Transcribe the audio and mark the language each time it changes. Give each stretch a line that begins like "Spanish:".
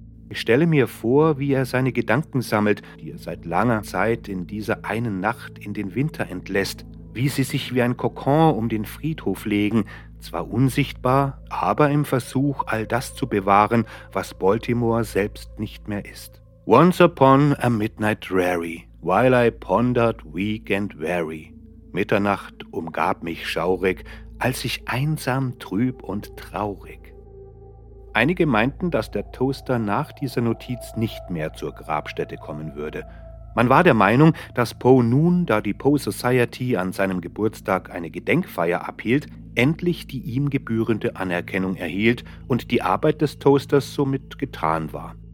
German: Ich stelle mir vor, wie er seine Gedanken sammelt, die er seit langer Zeit in dieser einen Nacht in den Winter entlässt, wie sie sich wie ein Kokon um den Friedhof legen, zwar unsichtbar, aber im Versuch, all das zu bewahren, was Baltimore selbst nicht mehr ist.
English: Once upon a midnight dreary, while I pondered weak and weary.
German: Mitternacht umgab mich schaurig, als ich einsam, trüb und traurig. Einige meinten, dass der Toaster nach dieser Notiz nicht mehr zur Grabstätte kommen würde. Man war der Meinung, dass Poe nun, da die Poe Society an seinem Geburtstag eine Gedenkfeier abhielt, endlich die ihm gebührende Anerkennung erhielt und die Arbeit des Toasters somit getan war.